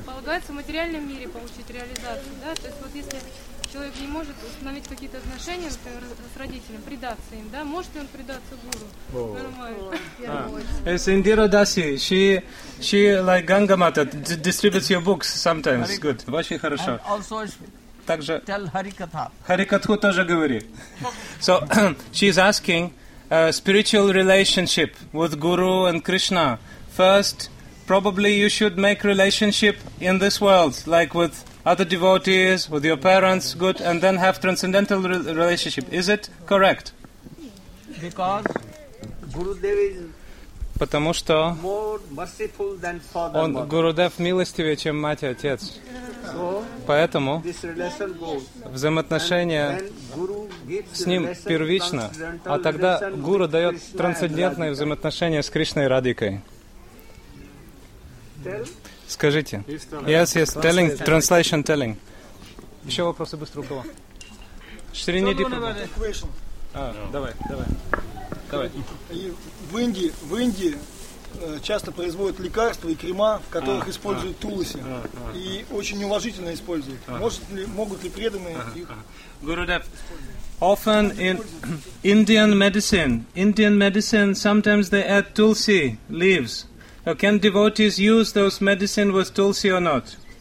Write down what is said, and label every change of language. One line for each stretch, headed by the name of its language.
Russian: Полагается в материальном мире получить реализацию, да? То есть вот если человек не может установить какие-то отношения, например, с родителем, предаться им, да? Может ли он предаться гуру?
English: It's Индира Даси. She like Гангамата, distributes your books sometimes. Good.
Russian: Очень хорошо. Также Харикатху тоже говори.
English: So she's asking a spiritual relationship with Guru and Krishna. First, probably you should make relationship in this world, like with other devotees, with your parents, good, and then have transcendental relationship. Is it correct? Because Gurudev is
Russian: потому что он, Гурудев, милостивее, чем мать и отец. Поэтому взаимоотношения с ним первично, а тогда Гуру дает трансцендентные взаимоотношения с Кришной и Радикой. Скажите.
English: Yes, telling, translation telling.
Russian: Еще вопросы быстро у кого? В Индии часто производят лекарства и крема, в которых используют туласи, и очень неуважительно используют. Могут ли преданные их использовать?
English: Often in Indian medicine, sometimes they add tulsi leaves. Can devotees use those medicine with tulsi or not?